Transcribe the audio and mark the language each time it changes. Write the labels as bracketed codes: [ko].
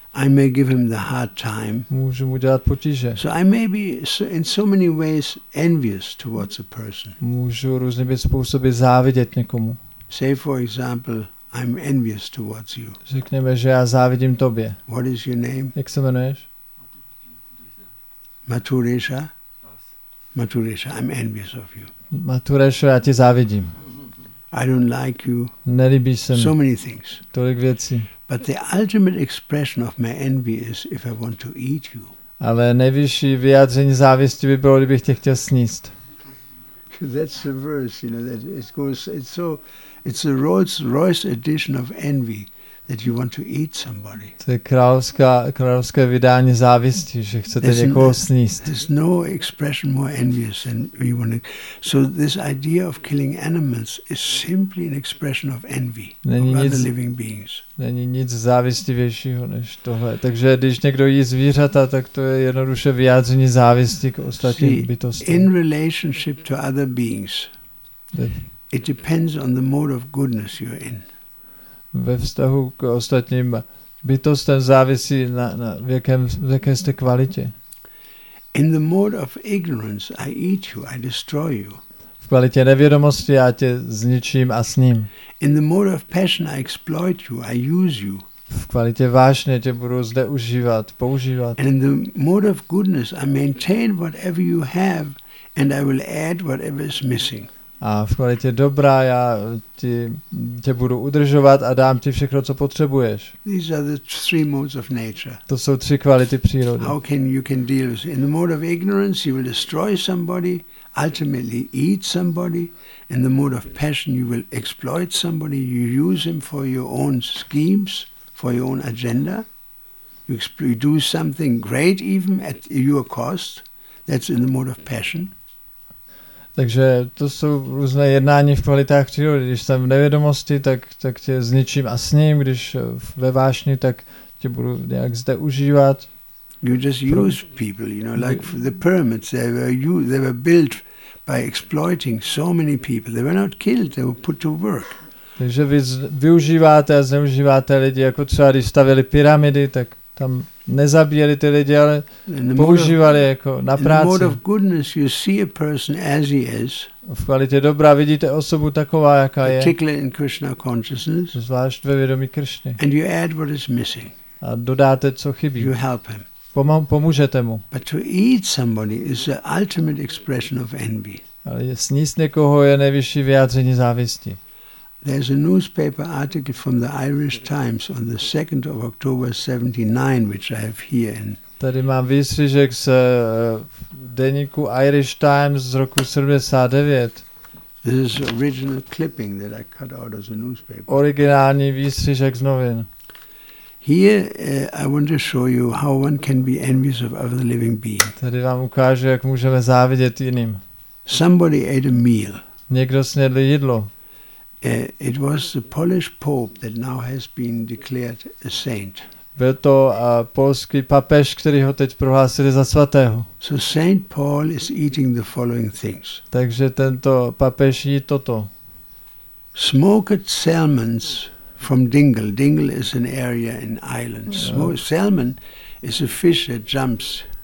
[en] I may give him the hard time. [cs] Můžu mu dělat potíže. [en] So I may be in so many ways envious towards a person. [cs] Můžu různě být způsoby závidět někomu. [en] Say for example, I'm envious towards you. [cs] Řekněme, že já závidím tobě. [en] What is your name? [cs] Jak se jmenuješ? [en] Maturesha. Maturesha, I'm envious of you. [cs] Maturesha, já ti závidím. [en] I don't like you. [cs] Nelíbíš se mi. [en] So many things. [cs] Tolik věcí. [en] But the ultimate expression of my envy is if I want to eat you. [cs] Ale nejvyšší vyjádření závisti by bylo, kdybych tě chtěl sníst. [en] That's the verse, you know, that it goes, it's the Rolls-Royce edition of envy that you want to eat somebody. [cs] To je královské vydání závisti, že chcete někoho sníst. [en] There's no expression more envious than we want to. So this idea of killing animals is simply an expression of envy of other living beings. [cs] Není nic závistivějšího než tohle. Takže když někdo jí zvířata, tak to je jednoduše vyjádření závisti k ostatním bytostem. [en] In relationship to other beings, it depends on the mode of goodness you're in. [cs] Ve vztahu k ostatním bytostem závisí na v jaké jste kvalitě. [en] In the mode of ignorance, I eat you, I destroy you. [cs] V kvalitě nevědomosti já tě zničím a sním. [en] In the mode of passion, I exploit you, I use you. [cs] V kvalitě vášně tě budu zneužívat, používat. [en] And in the mode of goodness, I maintain whatever you have and I will add whatever is missing. [cs] A v kvalitě dobrá, já ti tě budu udržovat a dám ti všechno, co potřebuješ. [en] These are the three modes of nature. [cs] To jsou tři kvality přírody. [en] How can you can deal with? In the mode of ignorance, you will destroy somebody, ultimately eat somebody. In the mode of passion, you will exploit somebody, you use him for your own schemes, for your own agenda. You do something great even at your cost. That's in the mode of passion. [cs] Takže to jsou různé jednání v kvalitách přírody. Když jsem v nevědomosti, tak tě zničím a s ním. Když ve vášni, tak tě budu nějak zde užívat. [en] You just use people, you know, like the pyramids. They were used, they were built by exploiting so many people. They were not killed. They were put to work. [cs] Takže vy využíváte a zneužíváte lidi, jako třeba když stavěli pyramidy, tak tam nezabíjeli ty lidi, ale používali jako na práci. [en] In the mode of goodness, you see a person as he is. [cs] V kvalitě dobra vidíte osobu taková, jaká je. [en] Particularly in Krishna consciousness. [cs] Zvlášť ve vědomí Kršny. [en] And you add what is missing. [cs] A dodáte, co chybí. [en] You help him. [cs] Pomůžete mu. [en] But to eat somebody is the ultimate expression of envy. [cs] Ale sníst někoho je nejvyšší vyjádření závisti. [en] There's a newspaper article from the Irish Times on the 2nd of October 79, which I have here. [cs] Tady mám výstřižek z deníku Irish Times z roku 79. [en] This is original clipping that I cut out of the newspaper. [cs] Originální výstřižek z novin. [en] Here I want to show you how one can be envious of other living beings. [cs] Tady vám ukážu, jak můžeme závidět jiným. [en] Somebody ate a meal. [cs] Někdo snědl jídlo. [en] It was the Polish Pope that now has been declared a saint. [cs] Byl to polský papež, který ho teď prohlásili za svatého. [en] So Saint Paul is eating the following things. [cs] Takže tento papež jí toto. [en] Smoked salmons from Dingle. Dingle is an area in Ireland. Salmon is a fish that jumps.